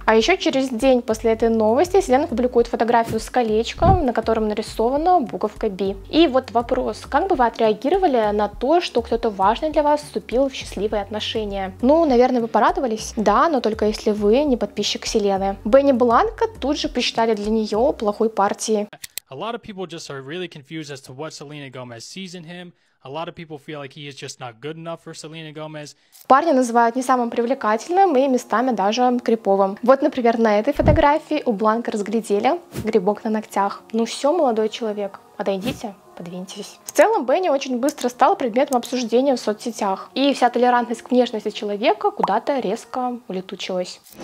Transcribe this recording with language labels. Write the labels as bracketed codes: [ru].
[ru] А еще через день после этой новости Селена публикует фотографию с колечком, на котором нарисована буковка B. И вот вопрос, как бы вы отреагировали на то, что кто-то важный для вас вступил в счастливые отношения? Ну, наверное, вы порадовались? Да, но только если вы не подписчик Селены. Бенни Бланко тут же посчитали для нее плохой партией. [en] A lot of people just are really confused as to what Selena Gomez sees in him. A lot of people feel like he is just not good enough for Selena Gomez. [ru] Парня называют не самым привлекательным и местами даже криповым. Вот, например, на этой фотографии у Бланка разглядели грибок на ногтях. Ну все, молодой человек, подойдите. Подвиньтесь. В целом, Бенни очень быстро стал предметом обсуждения в соцсетях, и вся толерантность к внешности человека куда-то резко улетучилась.